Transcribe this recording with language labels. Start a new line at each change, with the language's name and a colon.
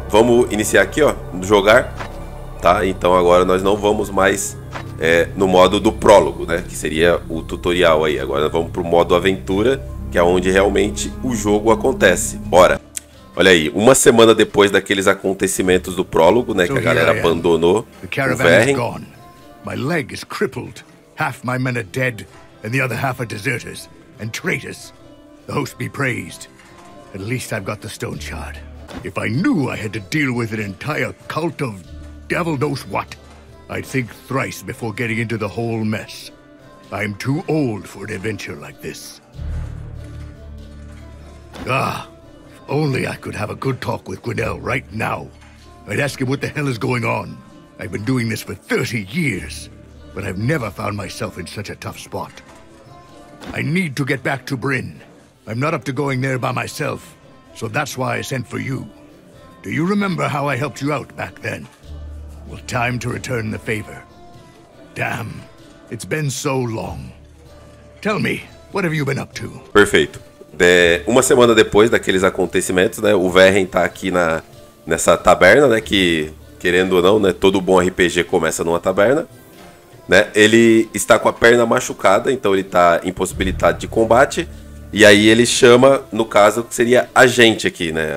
Portuguese: Vamos iniciar aqui, ó, no jogar, tá? Então agora nós não vamos mais no modo do prólogo, né? Que seria o tutorial aí. Agora nós vamos pro modo aventura, que é onde realmente o jogo acontece. Bora! Olha aí, uma semana depois daqueles acontecimentos do prólogo, né, que a galera abandonou o Verren.
English: My leg is crippled. Half my men are dead and the other half are deserters and traitors. The host be praised. At least I've got the stone shard. If I knew I had to deal with an entire cult of devil knows what, I'd think thrice before getting into the whole mess. I'm too old for an adventure like this. Ah. Only I could have a good talk with Gwynell right now. I'd ask him what the hell is going on. I've been doing this for 30 years, but I've never found myself in such a tough spot. I need to get back to Bryn. I'm not up to going there by myself, so that's why I sent for you. Do you remember how I helped you out back then? Well, time to return the favor. Damn, it's been so long. Tell me, what have you been up to?
Portuguese: Perfeito. Uma semana depois daqueles acontecimentos, né, o Verren tá aqui nessa taberna, né, que, querendo ou não, né, todo bom RPG começa numa taberna, né. Ele está com a perna machucada, então ele tá impossibilitado de combate, e aí ele chama, no caso, que seria a gente aqui, né.